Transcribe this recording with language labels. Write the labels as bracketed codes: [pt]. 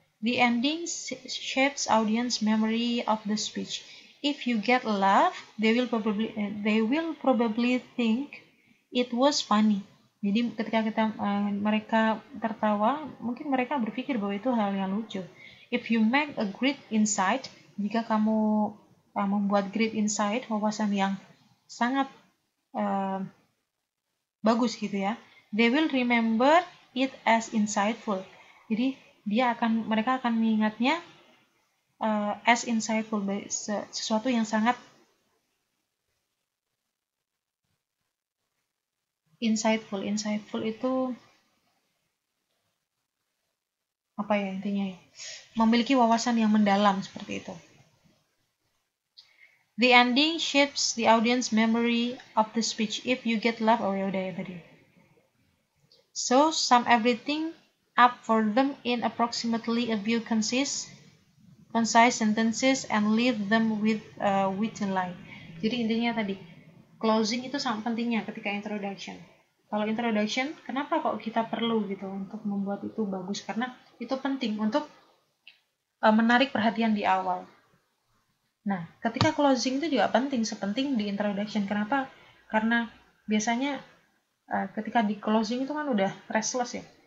[en] The ending shapes audience memory of the speech. If you get a laugh, they will probably think it was funny. [id] Jadi ketika kita mereka tertawa, mungkin mereka berpikir bahwa itu hal yang lucu. [en] If you make a great insight, [id] jika kamu membuat great insight, wawasan yang sangat bagus gitu ya, [en] they will remember it as insightful. [id] Jadi mereka akan mengingatnya [en] as insightful, [id] sesuatu yang sangat insightful. Insightful itu apa ya intinya? Memiliki wawasan yang mendalam seperti itu. [en] The ending shapes the audience memory of the speech. If you get love or you die, buddy. So sum everything up for them in approximately a few concise sentences and leave them with a written line. [id] Jadi intinya tadi closing itu sangat pentingnya ketika introduction. Kalau introduction, kenapa kok kita perlu gitu untuk membuat itu bagus? Karena itu penting untuk menarik perhatian di awal. Nah, ketika closing itu juga penting, sepenting di introduction. Kenapa? Karena biasanya ketika di closing itu kan udah restless ya.